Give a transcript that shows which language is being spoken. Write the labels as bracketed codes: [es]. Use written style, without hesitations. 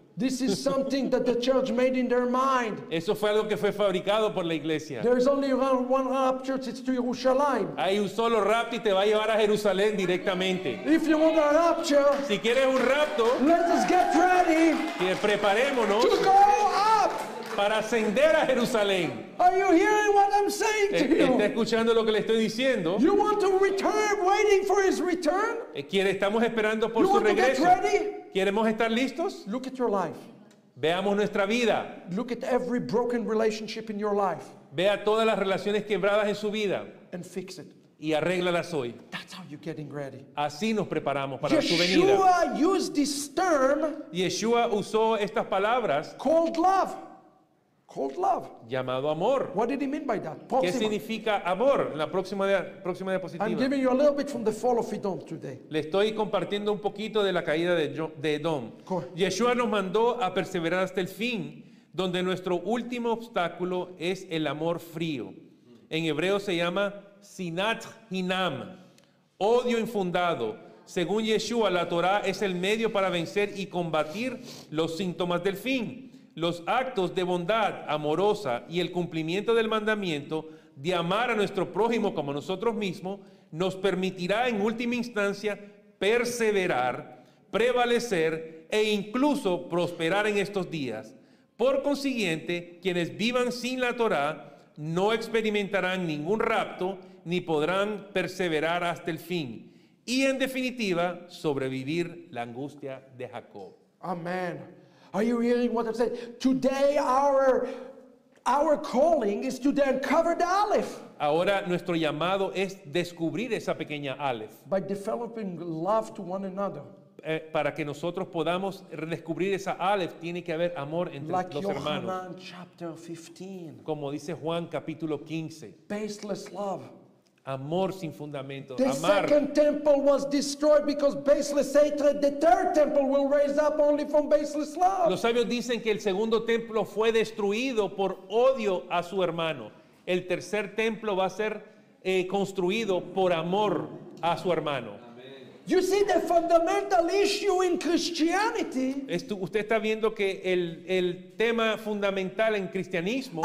[en] This is something that the church made in their mind. [es] Eso fue algo que fue fabricado por la iglesia. [en] There is only one rapture, it's to Jerusalem. [es] Hay un solo rapto y te va a llevar a Jerusalén directamente. [en] If you want a rapture, [es] si quieres un rapto, [en] let us get ready. [es] Que preparémonos. [en] To go up. [es] Para ascender a Jerusalén. [en] Are you hearing what I'm saying to you? [es] ¿Está escuchando lo que le estoy diciendo? [en] You want to return, waiting for his return? [es] ¿Quiere, estamos esperando por [en] you [es] su regreso? [en] To get ready? [es] ¿Queremos estar listos? [en] Look at your life. [es] Veamos nuestra vida. [en] Look at every broken relationship in your life. [es] Vea todas las relaciones quebradas en su vida. [en] And fix it. [es] Y arréglalas hoy. [en] That's how you're getting ready. [es] Así nos preparamos para Yeshua su venida. [en] Yeshua used this term. [es] Yeshua usó estas palabras. [en] Called love. Called love. [es] Llamado amor. [en] What did he mean by that? [es] Próxima. ¿Qué significa amor? En la próxima diapositiva. [en] I'm giving you a little bit from the fall of Edom today. [es] Le estoy compartiendo un poquito de la caída de Edom. Yeshua nos mandó a perseverar hasta el fin, donde nuestro último obstáculo es el amor frío. En hebreo se llama sinat hinam, odio infundado. Según Yeshua, la Torá es el medio para vencer y combatir los síntomas del fin. Los actos de bondad amorosa y el cumplimiento del mandamiento de amar a nuestro prójimo como a nosotros mismos nos permitirá en última instancia perseverar, prevalecer e incluso prosperar en estos días. Por consiguiente, quienes vivan sin la Torá no experimentarán ningún rapto ni podrán perseverar hasta el fin y en definitiva sobrevivir la angustia de Jacob. [en] Amén. Are you hearing what I'm saying? Today our calling is to uncover the Aleph. [es] Ahora nuestro llamado es descubrir esa pequeña Aleph. [en] By developing love to one another. [es] Para que nosotros podamos descubrir esa Aleph, tiene que haber amor entre [en] like [es] los hermanos. [en] Like Yohanan chapter 15. [es] Como dice Juan capítulo 15. [en] Baseless love. [es] Amor sin fundamento. [en] The [es] amar. [en] Second temple was destroyed because baseless hatred. The third temple will raise up only from baseless love. [es] Los sabios dicen que el segundo templo fue destruido por odio a su hermano. El tercer templo va a ser construido por amor a su hermano. [en] Amen. You see the fundamental issue in Christianity. [es] Usted está viendo que el tema fundamental en cristianismo.